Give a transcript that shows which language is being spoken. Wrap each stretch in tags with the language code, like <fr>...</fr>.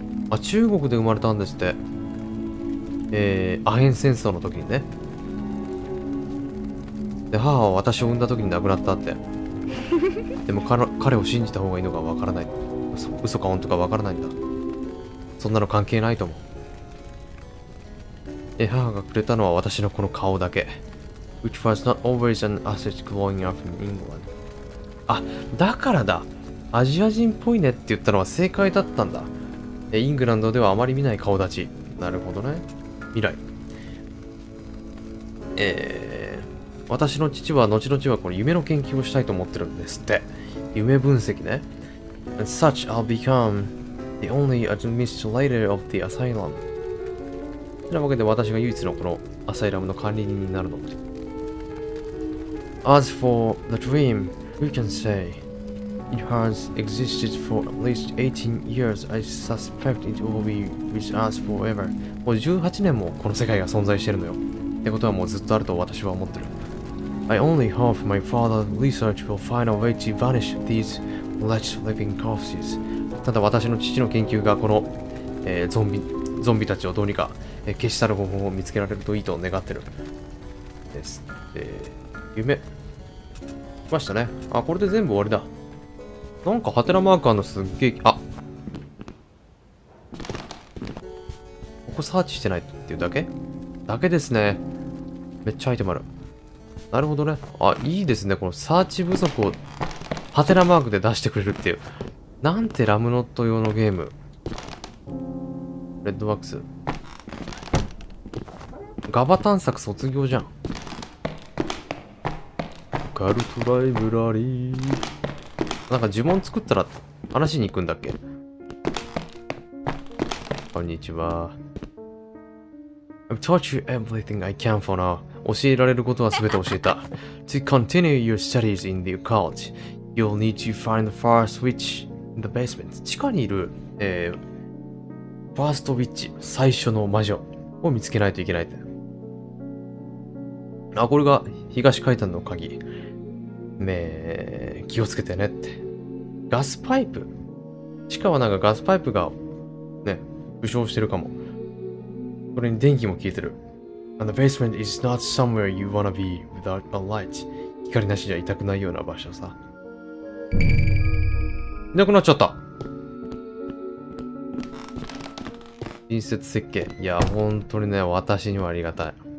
<ja>あ、中国で生まれたんですって。アヘン戦争の時にね。で、母は私を産んだ時に亡くなったって。でも彼を信じた方がいいのかわからない。嘘か本当かわからないんだ。そんなの関係ないと思う。母がくれたのは私のこの顔だけ。</ja> <en>Which was not always an asset growing up in England.</en> <ja>あ、だからだ。アジア人っぽいねって言ったのは正解だったんだ。イングランドではあまり見ない顔立ち。なるほどね。未来。私の父は後々はこの夢の研究をしたいと思ってるんですって。夢分析ね。</ja> <en>And such I'll become the only administrator of the asylum.</en> <ja>そんなわけで私が唯一のこのアサイラムの管理人になるの。</ja> <en>As for the dream, we can say it has existed for at least 18 years. I suspect it will be with us forever.</en> <ja>もう18年もこの世界が存在してるのよ。ってことはもうずっとあると私は思ってる。</ja> <en>I only hope my father's research will find a way to vanish these wretched living corpses.</en> <ja>ただ私の父の研究がこの、ゾンビたちをどうにか消し去る方法を見つけられるといいと願ってるです。夢来ましたね。あ、これで全部終わりだ。なんかハテナマークあるのすっげえ。あ、ここサーチしてないっていうだけですね。めっちゃアイテムある。なるほどね。あ、いいですね。このサーチ不足をハテナマークで出してくれるっていう、なんてラムノット用のゲーム。レッドワックスガバ探索卒業じゃん。カルトライブラリー。なんか呪文作ったら話しに行くんだっけ。こんにちは。</ja> <en>I've taught you everything I can for now.</en> <ja>教えられることは全て教えた。</ja> <en>To continue your studies in the occult, you'll need to find the first witch in the basement.</en> <ja>地下にいる、ファーストウィッチ、最初の魔女を見つけないといけないって。あ、これが東階段の鍵。ねえ、気をつけてねって。ガスパイプ？地下はなんかガスパイプがね、負傷してるかも。これに電気も消えてる。</ja> <en>And the basement is not somewhere you wanna be without a light.</en> <ja>光なしじゃ痛くないような場所さ。いなくなっちゃった。親切設計。いや、ほんとにね、私にはありがたい。</ja>